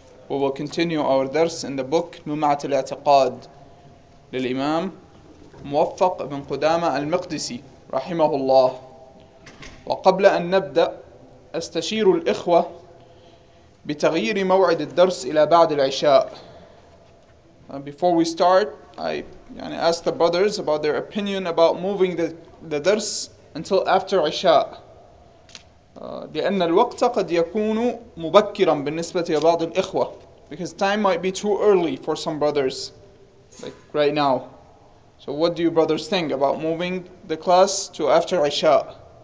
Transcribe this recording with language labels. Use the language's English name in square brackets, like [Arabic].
[English] We will continue our درس in the book لمعة الاعتقاد للإمام موفق ابن قدامة المقدسي رحمه الله. [Arabic] وقبل أن نبدأ، أستشير الإخوة بتغيير موعد الدرس إلى بعد العشاء. [English] Before we start, I ask the brothers about their opinion about moving the درس until after عشاء. [Arabic] لأن الوقت قد يكون مبكرا بالنسبة لبعض الإخوة. [English] Because time might be too early for some brothers, like right now. So what do you brothers think about moving the class to after عشاء?